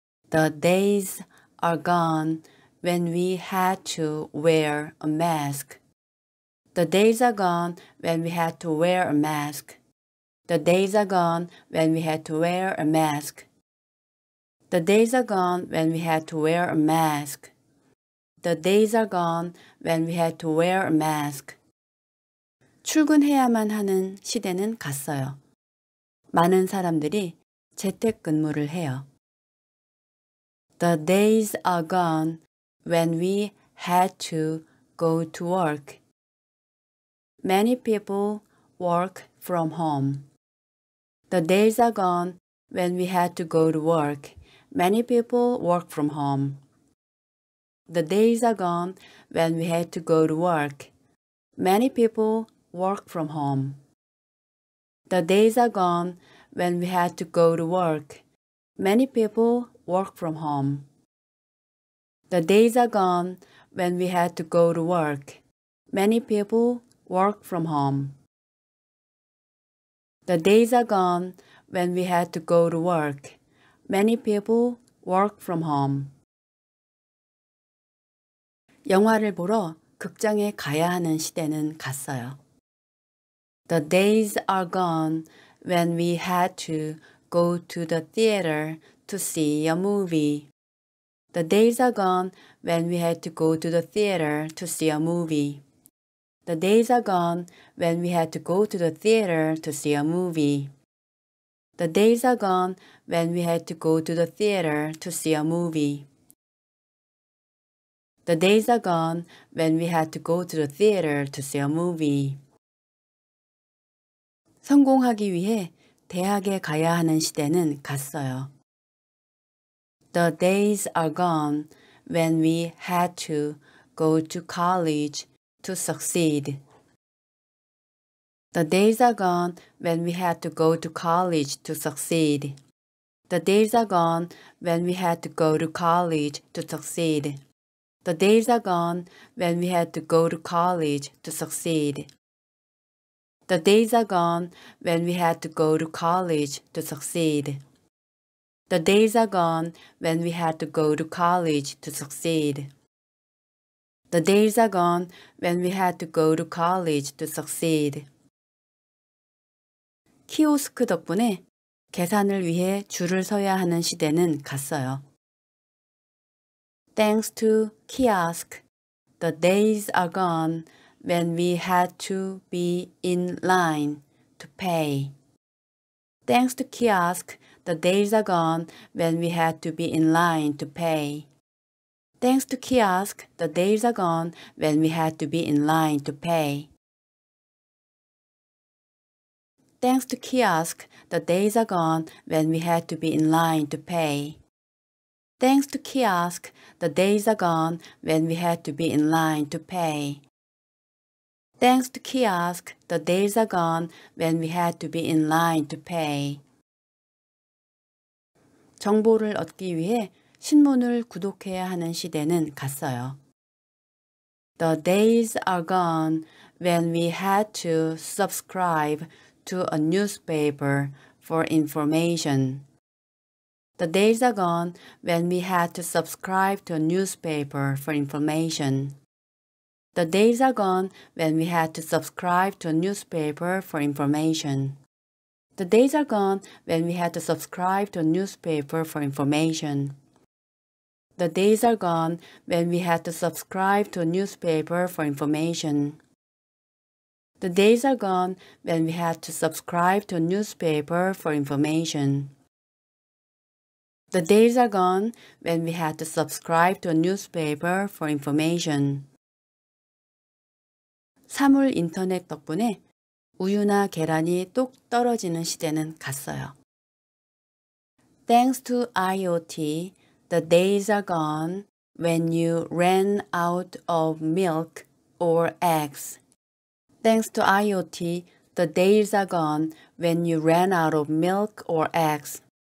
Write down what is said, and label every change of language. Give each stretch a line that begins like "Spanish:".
English: The days are gone when we had to wear a mask. The days are gone when we had to wear a mask. The days are gone when we had to wear a mask. The days are gone when we had to wear a mask. The days are gone when we had to wear a mask.
Korean: 출근해야만 하는 시대는 갔어요. 많은 사람들이 재택근무를 해요.
English: The days are gone when we had to go to work. Many people work from home. The days are gone when we had to go to work. Many people work from home. The days are gone when we had to go to work. Many people work from home. The days are gone when we had to go to work. Many people work from home. The days are gone when we had to go to work. Many people work from home. The days are gone when we had to go to work. Many people work from home.
Korean: 영화를 보러 극장에 가야 하는 시대는 갔어요.
English: The days are gone when we had to go to the theater to see a movie. The days are gone when we had to go to the theater to see a movie. The days are gone when we had to go to the theater to see a movie. The days are gone when we had to go to the theater to see a movie. The days are gone when we had to go to the theater to see a movie.
Korean: 성공하기 위해 대학에 가야 하는 시대는 갔어요.
English: The days are gone when we had to go to college to succeed. The days are gone when we had to go to college to succeed. The days are gone when we had to go to college to succeed. The days are gone when we had to go to college to succeed. The days are gone when we had to go to college to succeed. The days are gone when we had to go to college to succeed. The days are gone when we had to go to college to succeed.
Korean: 키오스크 덕분에 계산을 위해 줄을 서야 하는 시대는 갔어요.
English: Thanks to kiosk, the days are gone when we had to be in line to pay. Thanks to kiosk, the days are gone when we had to be in line to pay. Thanks to kiosk, the days are gone when we had to be in line to pay. Thanks to kiosk, the days are gone when we had to be in line to pay. Thanks to kiosk, the days are gone when we had to be in line to pay. Thanks to kiosk, the days are gone when we had to be in line to pay.
Korean: 정보를 얻기 위해 신문을 구독해야 하는 시대는 갔어요.
English: The days are gone when we had to subscribe to a newspaper for information. The days are gone when we had to subscribe to a newspaper for information. The days are gone when we had to subscribe to a newspaper for information. The days are gone when we had to subscribe to a newspaper for information. The days are gone when we had to subscribe to a newspaper for information. The days are gone when we had to subscribe to a newspaper for information. The days are gone when we had to subscribe to a newspaper for information.
Korean: 사물인터넷 덕분에 우유나 계란이 뚝 떨어지는 시대는 갔어요.
English: Thanks to IoT, the days are gone when you ran out of milk or eggs. Thanks to IoT, the days are gone when you ran out of milk or eggs.